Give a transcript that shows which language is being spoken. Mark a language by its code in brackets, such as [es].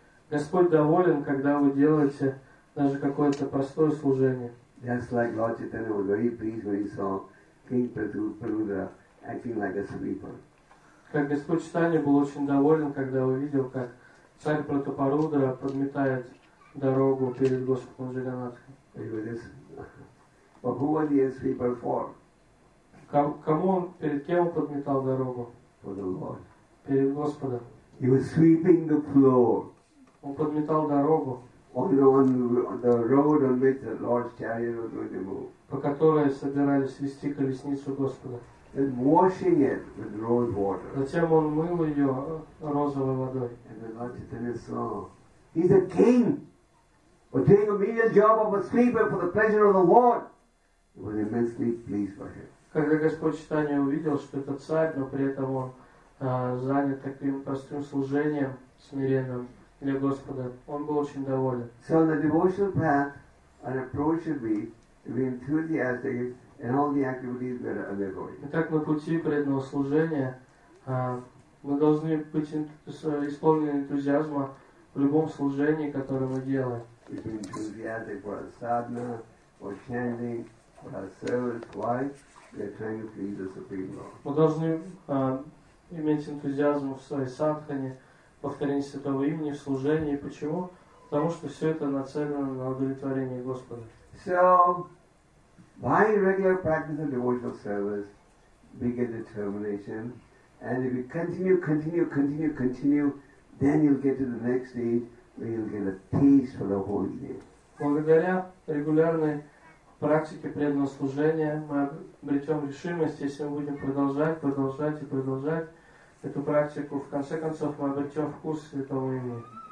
[ru] Господь доволен, когда вы делаете даже какое-то простое служение. [en] Just like Lord Chaitanya was very pleased when he saw King Prudra acting like a sweeper. [ru] Как Господь Читания был очень доволен, когда увидел, как царь Пратапарудра подметает дорогу перед Господом Джаганнатхом. [en] But who was he a sweeper for? [ru] Кому он, перед кем он подметал дорогу? [en] For the Lord. [ru] Перед Господом. [en] He was sweeping the floor. [ru] Он подметал дорогу. [en] On the road on which the Lord's chariot was going to move. [ru] По которой собирались вести колесницу Господа. [en] And washing it with rose water. [ru] Затем он мыл ее розовой водой. [en] And the Lord Chaitanya saw, he's a king, but doing a menial job of a sweeper for the pleasure of the Lord. He was immensely pleased by him. [ru] Когда Господь Читания увидел, что это царь, но при этом он занят таким простым служением смиренным для Господа, он был очень доволен. [en] So on the devotional path, an approach should be to be enthusiastic in all the activities that are undergoing. [ru] Итак, на пути преданного служения мы должны быть исполнены энтузиазма в любом служении, которое мы делаем. [en] We should be enthusiastic for our sadhana, for chanting, for our service. Why? We are trying to please the Supreme Lord. [ru] Мы должны иметь энтузиазм в своей садхане, повторение святого имени, в служении. Почему? Потому что все это нацелено на удовлетворение Господа. So, by regular practice of devotional service, we get determination, and if you continue, then you'll get to the next stage, where you'll get a peace for the whole year. Благодаря регулярной практике преданного служения мы обретем решимость, если мы будем продолжать. Эту практику, в конце концов, мы обретем вкус святого имени.